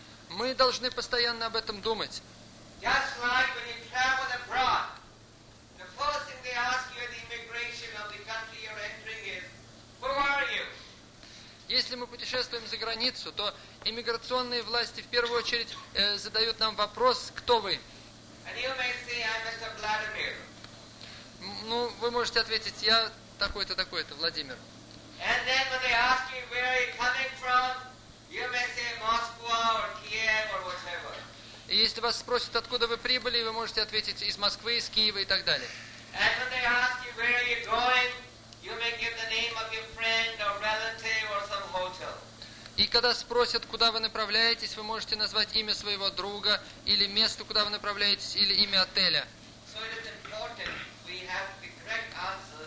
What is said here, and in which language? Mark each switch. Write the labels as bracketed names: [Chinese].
[Russian] Мы должны постоянно об этом думать. [English] Just like when you travel abroad, the first thing they ask you at the immigration of the country you're entering is, who are you? [Russian] Если мы путешествуем за границу, то иммиграционные власти в первую очередь задают нам вопрос, кто вы? [English] And you may say, I'm Mr. Vladimir. [Russian] Ну, вы можете ответить, я такой-то, такой-то, Владимир. [English] And then when they ask you, where are you coming from, you may say Moscow or Kiev or whatever. [Russian] Если вас спросят, откуда вы прибыли, вы можете ответить из Москвы, из Киева и так далее. [English] And when they ask you, where are you going, you may give the name of your friend or relative or some hotel. [Russian] И когда спросят, куда вы направляетесь, вы можете назвать имя своего друга или место, куда вы направляетесь, или имя отеля. [English] So it is important we have the correct answer.